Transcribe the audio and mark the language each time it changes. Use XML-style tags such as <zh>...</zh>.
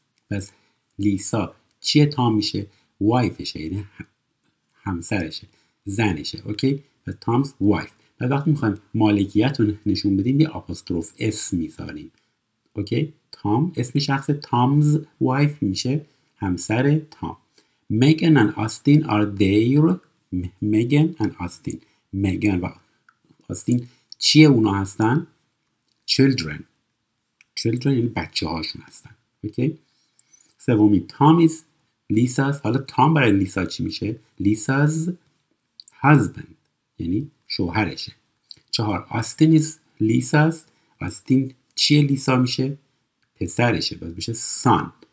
<fa>پس لیسا چیه؟ تام میشه وایفشه، یعنی همسرشه، زنشه. اوکی؟ پس</fa> <en>Tom's wife.</en> <fa>پس وقتی میخوایم مالکیت رو نشون بدیم یه آپاستروف اس میذاریم. اوکی؟ تام اسم شخص،</fa> <en>Tom's wife</en> <fa>میشه همسر تام.</fa> <en>Megan and Austin are there. Megan and Austin.</en> <fa>Megan و Austin چیه اونا هستن؟ Children. Children یعنی بچه هاشون هستن. اوکی؟ سومی</fa> <en>Tom is Lisa's.</en> <fa>حالا Tom برای لیسا چی میشه؟</fa> <en>Lisa's husband.</en> <fa>یعنی شوهرشه. چهار</fa> <en>Austin is Lisa's.</en> <fa>Austin چیه لیسا میشه؟ پسرشه. باز میشه son.</fa>